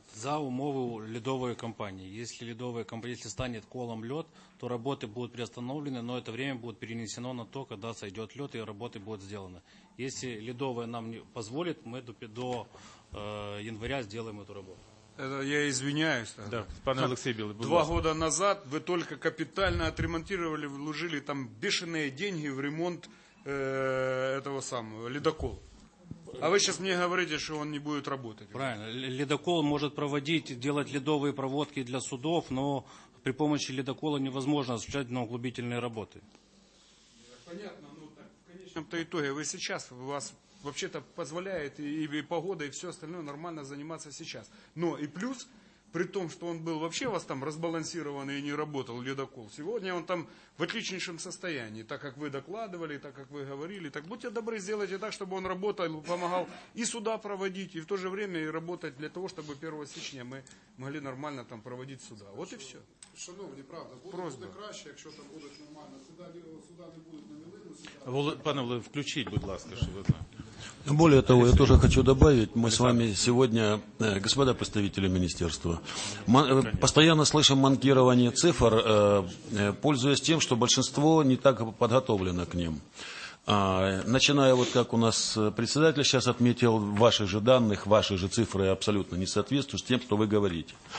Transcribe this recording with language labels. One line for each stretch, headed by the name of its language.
Ukrainian: За умови льодової кампанії. Якщо льодової кампанії, якщо стане колом льод, то роботи будуть приостановлені, але це час буде перенесено на то, коли зайде льод і роботи будуть зроблені. Якщо льодове нам не дозволить, ми до января зробимо цю роботу.
Russian: Это я извиняюсь. Да, пан Алексей Белый. Два года назад вы только капитально отремонтировали, вложили там бешеные деньги в ремонт этого самого ледокола. А вы сейчас мне говорите, что он не будет работать. Правильно. Ледокол может проводить, делать ледовые проводки для судов, но при помощи ледокола невозможно осуществлять дноуглубительные работы. Понятно. Ну, так, в конечном-то итоге, вы сейчас, у вас вообще-то позволяет и погода, и все остальное нормально заниматься сейчас. Но и плюс, при том, что он был вообще у вас там разбалансированный и не работал, ледокол, сегодня он там в отличнейшем состоянии, так как вы докладывали, так как вы говорили, так будьте добры, сделайте так, чтобы он работал, помогал и суда проводить, и в то же время и работать для того, чтобы 1 сечня мы могли нормально там проводить суда. Вот и все.
Ukrainian: Шановні, правда, буде краще, якщо там буде нормально. Сюди не буде на милину. Пане Володимире, включіть, будь ласка, щоб ви знали.
Russian: Более того, я тоже хочу добавить, мы с вами сегодня, господа представители министерства, постоянно слышим манкирование цифр, пользуясь тем, что большинство не так подготовлено к ним. Начиная вот как у нас председатель сейчас отметил, ваши же данных, ваши же цифры абсолютно не соответствуют с тем, что вы говорите.